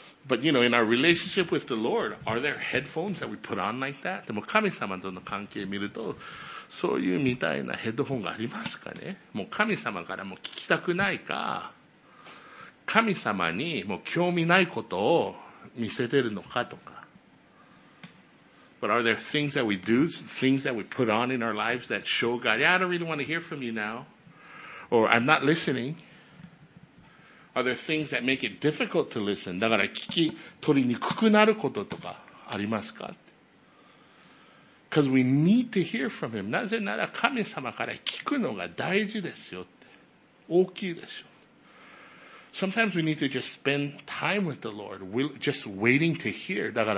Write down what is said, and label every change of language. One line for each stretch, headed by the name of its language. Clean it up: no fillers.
English: But, you know, in our relationship with the Lord, are there headphones that we put on like that?
Japanese: でも神様との関係を見ると、そういうみたいなヘッドホンがありますかね?もう神様からも聞きたくないか?神様にもう興味ないことを見せてるのかとか。
English: But are there things that we do, things that we put on in our lives that show God, yeah, I don't really want to hear from you now, or I'm not listening? Are there things that make it difficult to listen?
Japanese: だから聞き取りにくくなることとかありますか?
English: Because we need to hear from Him.
Japanese: なぜなら神様から聞くのが大事ですよって。大きいですよ。
English: Sometimes we need to just spend time with the Lord, just waiting to hear.